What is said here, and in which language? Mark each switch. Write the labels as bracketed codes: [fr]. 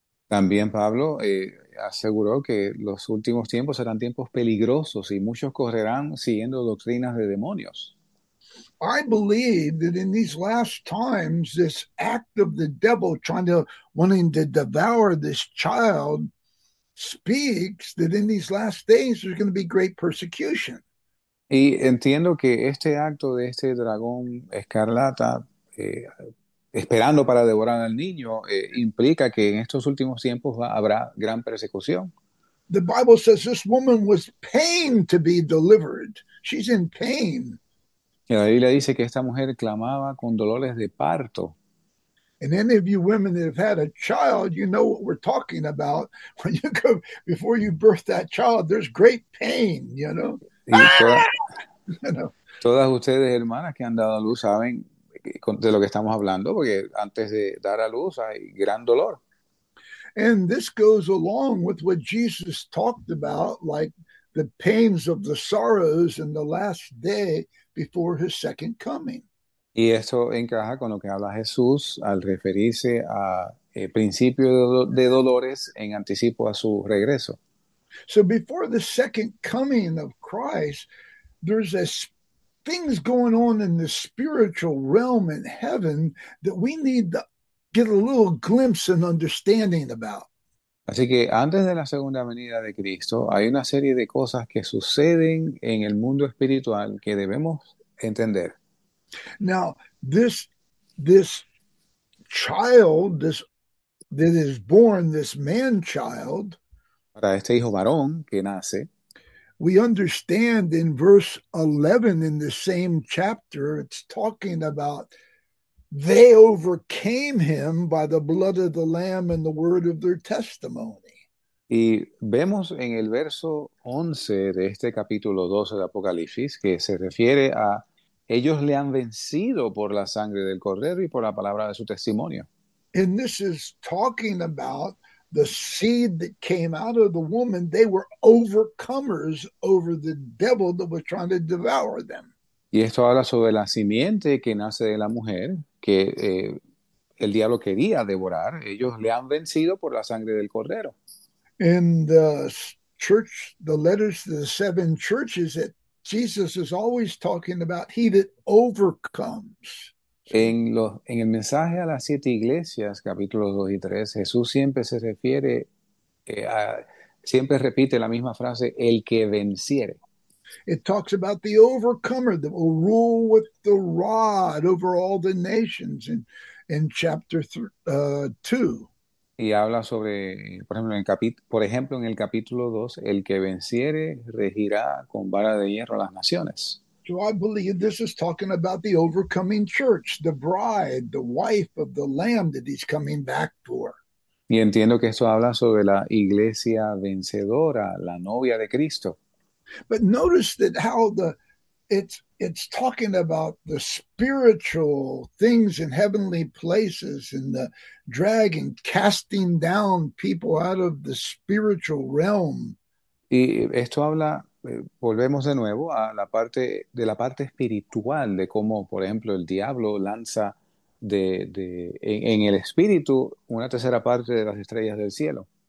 [es] También Pablo aseguró que los últimos tiempos serán tiempos peligrosos y muchos correrán siguiendo doctrinas de demonios. [en] I believe that in these last times, this act of the devil wanting to devour this child speaks that in these last days there's going to be great persecution. [es] Y entiendo que este acto de este dragón escarlata esperando para devorar al niño, implica que en estos últimos tiempos habrá gran persecución. [en] The Bible says this woman was pained to be delivered. She's in pain. [es] Y la Biblia dice que esta mujer clamaba con dolores de parto. [en] And any of you women that have had a child, you know what we're talking about. When you go, before you birth that child, there's great pain, you know. [es] Y todas ustedes, hermanas que han dado a luz, saben de lo que estamos hablando, porque antes de dar a luz hay gran dolor. [en] And this goes along with what Jesus talked about, like the pains of the sorrows in the last day before his second coming. [es] Y esto encaja con lo que habla Jesús al referirse a principio de dolores en anticipo a su regreso. [en] So before the second coming of Christ, there's a things going on in the spiritual realm in heaven that we need to get a little glimpse and understanding about. [es] Así que antes de la segunda venida de Cristo, hay una serie de cosas que suceden en el mundo espiritual que debemos entender. [en] Now, this child, this that is born, this man child, [es] Para este hijo varón que nace. [en] We understand in verse 11 in the same chapter, it's talking about they overcame him by the blood of the Lamb and the word of their testimony. [es] Y vemos en el verso 11 de este capítulo 12 de Apocalipsis que se refiere a ellos le han vencido por la sangre del cordero y por la palabra de su testimonio. [en] And this is talking about the seed that came out of the woman. They were overcomers over the devil that was trying to devour them. [es] Y esto habla sobre la simiente que nace de la mujer, que el diablo quería devorar. Ellos le han vencido por la sangre del cordero. [en] In the church, the letters to the seven churches, that Jesus is always talking about he that overcomes. [es] En el mensaje a las siete iglesias, capítulos 2 y 3, Jesús siempre se refiere, siempre repite la misma frase, el que venciere. [en] It talks about the overcomer that will rule with the rod over all the nations in chapter 2. [es] Y habla sobre, por ejemplo, en el capítulo 2, el que venciere regirá con vara de hierro las naciones. [en] So I believe this is talking about the overcoming church, the bride, the wife of the Lamb that he's coming back for. [es] Y entiendo que esto habla sobre la iglesia vencedora, la novia de Cristo. [en] But notice that how it's talking about the spiritual things in heavenly places and the dragon casting down people out of the spiritual realm. [es] Y esto habla, volvemos de nuevo a la parte de la parte espiritual de cómo, por ejemplo, el diablo lanza en el espíritu una tercera parte de las estrellas del cielo.